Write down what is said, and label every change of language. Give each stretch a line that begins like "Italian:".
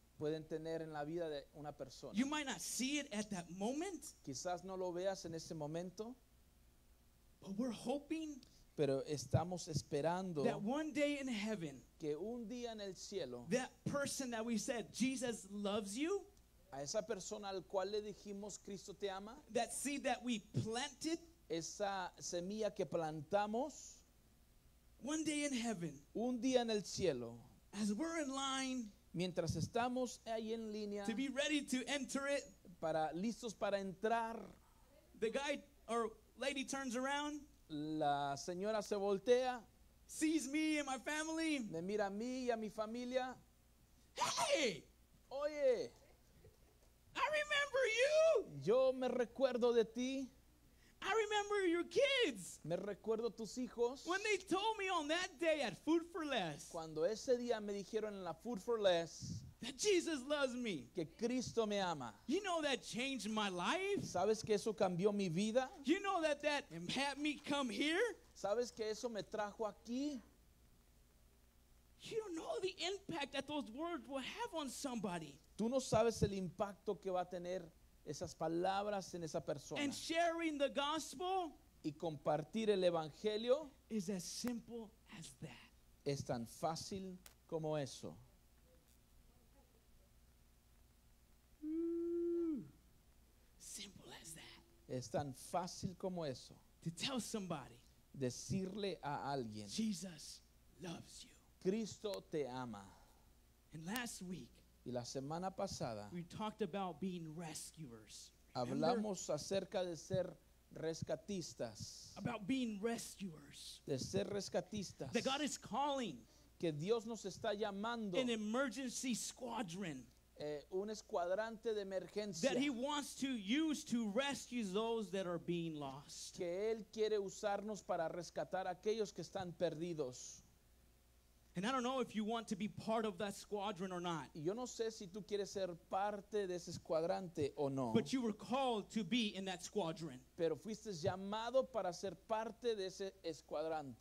Spanish: Pueden tener en la vida de una persona.
English: You might not see it at that moment.
Spanish: Quizás no lo veas en ese momento.
English: But we're hoping.
Spanish: Pero estamos esperando.
English: That one day in heaven.
Spanish: Que un día en el cielo.
English: That person that we said Jesus loves you.
Spanish: A esa persona al cual le dijimos Cristo te ama.
English: That seed that we planted.
Spanish: Esa semilla que plantamos.
English: One day in heaven.
Spanish: Un día en el cielo.
English: As we're in line.
Spanish: Mientras estamos ahí en línea.
English: To be ready to enter it.
Spanish: Para listos para entrar.
English: The guy or lady turns around.
Spanish: La señora se voltea.
English: Sees me and my family.
Spanish: Me mira a mí y a mi familia.
English: Hey!
Spanish: Oye.
English: I remember you.
Spanish: Yo me recuerdo de ti.
English: I remember your kids.
Spanish: Me recuerdo tus hijos.
English: When they told me on that day at Food for Less.
Spanish: Cuando ese día me dijeron en la Food for Less.
English: That Jesus loves me.
Spanish: Que Cristo me ama.
English: You know that changed my life.
Spanish: ¿Sabes que eso cambió mi vida?
English: You know that had me come here.
Spanish: ¿Sabes que eso me trajo aquí?
English: You don't know the impact that those words will have on somebody.
Spanish: Tú no sabes el impacto que va a tener esas palabras en esa persona.
English: And sharing the gospel.
Spanish: Y compartir el evangelio.
English: Is as simple as that.
Spanish: Es tan fácil como eso.
English: Simple as that.
Spanish: Es tan fácil como eso.
English: To tell somebody.
Spanish: Decirle a alguien.
English: Jesus loves you.
Spanish: Cristo te ama.
English: And last week.
Spanish: Y la semana pasada
English: we talked about being rescuers.
Spanish: Hablamos acerca de ser rescatistas.
English: About being rescuers.
Spanish: De ser rescatistas.
English: That God is calling.
Spanish: Que Dios nos está llamando.
English: An emergency squadron.
Spanish: Un escuadrante de emergencia.
English: That he wants to use to rescue those that are being lost.
Spanish: Que él quiere usarnos para rescatar a aquellos que están perdidos.
English: And I don't know if you want to be part of that squadron or not.
Spanish: Yo no sé si tú quieres ser parte de ese escuadrante o no.
English: But you were called to be in that squadron.
Spanish: Pero fuiste llamado para ser parte de ese escuadrante.